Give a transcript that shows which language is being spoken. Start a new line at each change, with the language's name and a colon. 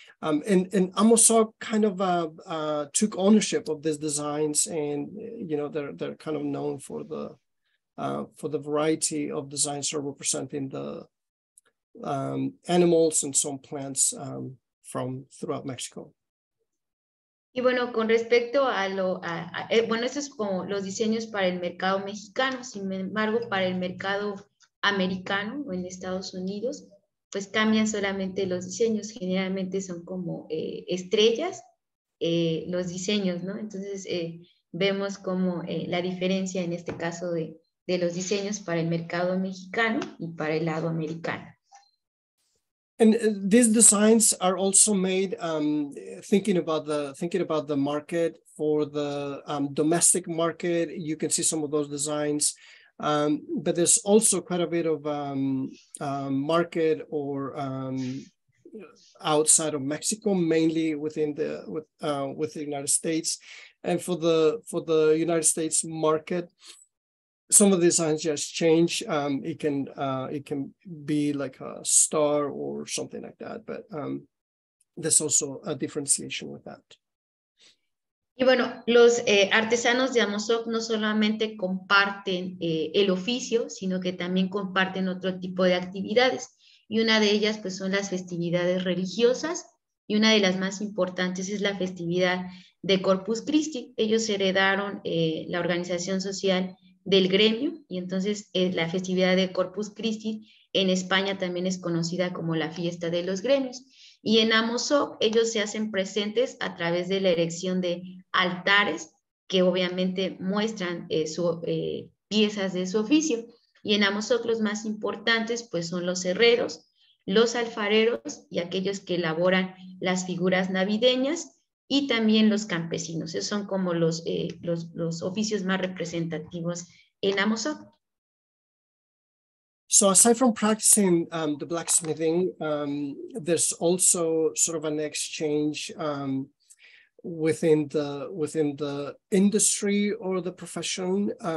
English: And Amosok kind of took ownership of these designs, and you know they're kind of known for the variety of designs that are representing the animals and some plants from throughout Mexico.
Spanish: Y bueno, con respecto a lo, bueno, esos es como los diseños para el mercado mexicano, sin embargo, para el mercado americano o en Estados Unidos, pues cambian solamente los diseños, generalmente son como estrellas los diseños, ¿no? Entonces vemos como la diferencia en este caso de los diseños para el mercado mexicano y para el lado americano.
English: And these designs are also made thinking about the market for the domestic market. You can see some of those designs, but there's also quite a bit of market or outside of Mexico, mainly within the United States. And for the United States market, some of the designs just change. It can be like a star or something like that, but there's also a differentiation with that.
Spanish: Y bueno, los artesanos de Amozoc no solamente comparten el oficio, sino que también comparten otro tipo de actividades. Y una de ellas, pues, son las festividades religiosas. Y una de las más importantes es la festividad de Corpus Christi. Ellos heredaron la organización social del gremio, y entonces la festividad de Corpus Christi en España también es conocida como la fiesta de los gremios. Y en Amozoc ellos se hacen presentes a través de la erección de altares que obviamente muestran piezas de su oficio. Y en Amozoc los más importantes pues son los herreros, los alfareros y aquellos que elaboran las figuras navideñas y también los campesinos. Esos son como los oficios más representativos en Amozoc.
English: So aside from practicing the blacksmithing, there's also sort of an exchange within the industry or the profession.